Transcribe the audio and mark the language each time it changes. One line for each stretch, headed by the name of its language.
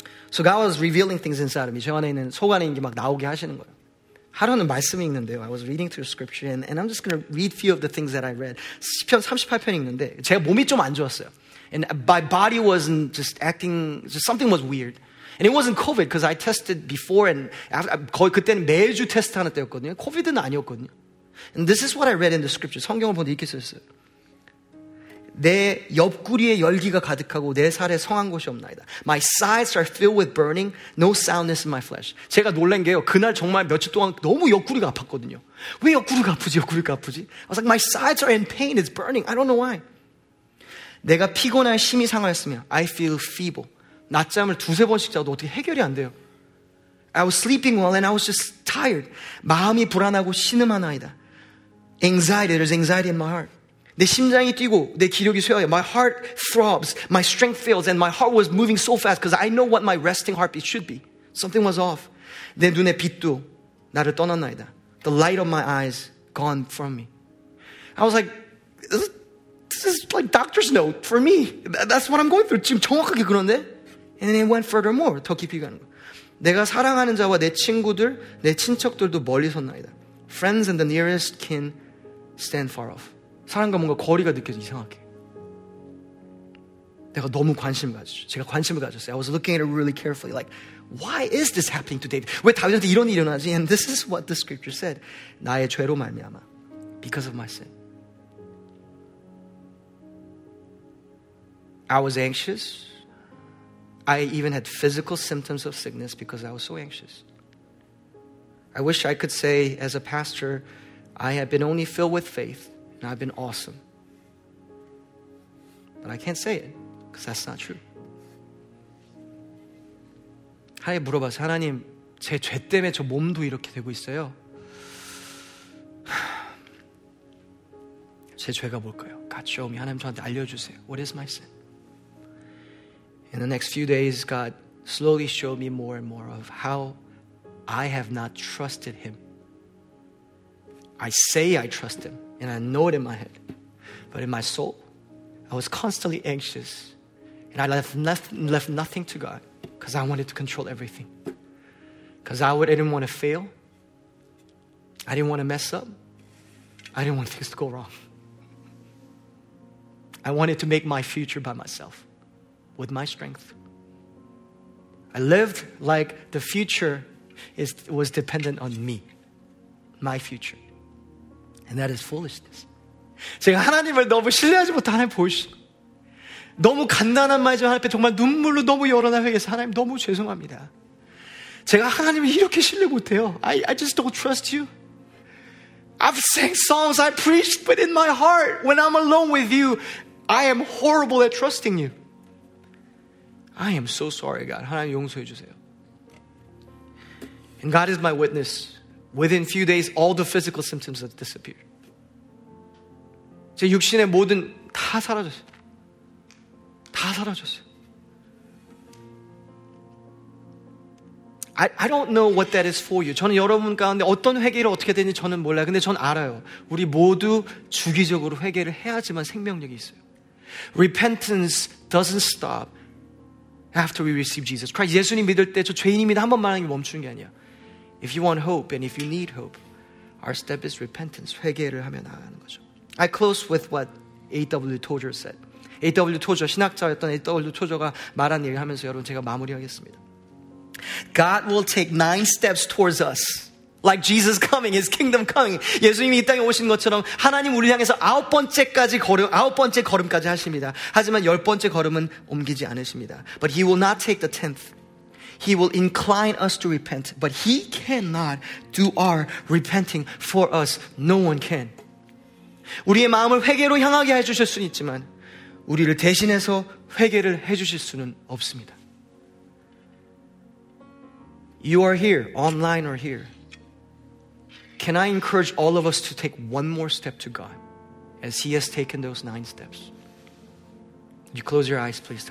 English: So God was revealing things inside of me.
Korean: 저 안에 있는 속 안에 있는 게 막 나오게 하시는 거예요. 하루는 말씀이 있는데요.
English: I was reading through scripture and I'm just going to read few of the things that I read.
Korean: 시편 38편 읽는데 제가 몸이 좀 안 좋았어요.
English: And my body wasn't just acting, just something was weird. And it wasn't COVID because I tested before and after,
Korean: 거의 그때는 매주 테스트 하는 때였거든요. COVID는 아니었거든요.
English: And this is what I read in the scripture.
Korean: 성경을 보는데 이렇게 써 있어요. 내 옆구리에 열기가 가득하고 내 살에 성한 곳이 없나이다.
English: My sides are filled with burning, no soundness in my flesh.
Korean: 제가 놀란 게요. 그날 정말 며칠 동안 너무 옆구리가 아팠거든요. 왜 옆구리가 아프지? 옆구리가 아프지?
English: I was like, my sides are in pain, it's burning. I don't know why.
Korean: 내가 피곤하여 심히 상하였으며
English: I feel feeble.
Korean: 낮잠을 두세 번씩 자도 어떻게 해결이 안 돼요.
English: I was sleeping well and I was just tired.
Korean: 마음이 불안하고 신음하나이다.
English: Anxiety, there's anxiety in my heart.
Korean: 내 심장이 뛰고 내 기력이 쇠하여
English: My heart throbs, my strength fails and my heart was moving so fast because I know what my resting heartbeat should be. Something was off.
Korean: 내 눈의 빛도 나를 떠났나이다.
English: The light of my eyes gone from me. I was like, this is like doctor's note for me. That's what I'm going through.
Korean: 지금 정확하게 그런데?
English: And then it went furthermore,
Korean: 더 깊이 가는 거. 내가 사랑하는 자와 내 친구들, 내 친척들도 멀리 섰나이다.
English: Friends and the nearest kin stand far off.
Korean: 사람과 뭔가 거리가 느껴져 이상하게. 내가 너무 관심을 가졌죠. 제가 관심을 가졌어요.
English: I was looking at it really carefully. Like, why is this happening to David?
Korean: 왜 다윗한테 이런 일이 일어나지?
English: And this is what the scripture said.
Korean: 나의 죄로 말미암아.
English: Because of my sin. I was anxious. I even had physical symptoms of sickness because I was so anxious. I wish I could say, as a pastor, I have been only filled with faith. And I've been awesome. But I can't say it because that's not true.
Korean: 하나님 물어봐서 하나님 제 죄 때문에 저 몸도 이렇게 되고 있어요. 제 죄가 뭘까요?
English: God show me.
Korean: 하나님 저한테 알려주세요.
English: What is my sin? In the next few days, God slowly showed me more and more of how I have not trusted him. I say I trust him. And I know it in my head. But in my soul, I was constantly anxious. And I left nothing to God because I wanted to control everything. Because I didn't want to fail. I didn't want to mess up. I didn't want things to go wrong. I wanted to make my future by myself with my strength. I lived like the future was dependent on me, my future. And that is foolishness.
Korean: 제가 하나님을 너무 신뢰하지 못한 하나님 보이시 너무 간단한 말이지만 하나님 앞에 정말 눈물로 너무 열어놔야 해서 하나님 너무 죄송합니다. 제가 하나님을 이렇게 신뢰 못해요.
English: I just don't trust you. I've sang songs, I preached, but in my heart, when I'm alone with you, I am horrible at trusting you. I am so sorry, God.
Korean: 하나님 용서해 주세요.
English: And God is my witness. Within a few days, all the physical symptoms have disappeared.
Korean: 제 육신의 모든 다 사라졌어요. 다 사라졌어요.
English: I don't know what that is for you.
Korean: 저는 여러분 가운데 어떤 회개를 어떻게 되는지 저는 몰라요. 근데 저는 알아요. 우리 모두 주기적으로 회개를 해야지만 생명력이 있어요.
English: Repentance doesn't stop after we receive Jesus Christ.
Korean: 예수님 믿을 때 저 죄인입니다 한 번 말하는 게 멈추는 게 아니야.
English: If you want hope and if you need hope, our step is repentance.
Korean: 회개를 하며 나아가는 거죠.
English: I close with what A.W. Tozer said.
Korean: A.W. Tozer, 신학자였던 A.W. Tozer가 말한 얘기를 하면서 여러분 제가 마무리하겠습니다.
English: God will take 9 steps towards us. Like Jesus coming, his kingdom coming.
Korean: 예수님이 이 땅에 오신 것처럼 하나님 우리를 향해서 아홉 번째 걸음까지 하십니다. 하지만 열 번째 걸음은 옮기지 않으십니다.
English: But he will not take the 10th. He will incline us to repent, but he cannot do our repenting for us. No one can.
Korean: 우리의 마음을 회개로 향하게 해주실 수는 있지만 우리를 대신해서 회개를 해주실 수는 없습니다.
English: You are here, online or here. Can I encourage all of us to take one more step to God as he has taken those 9 steps? You close your eyes, please.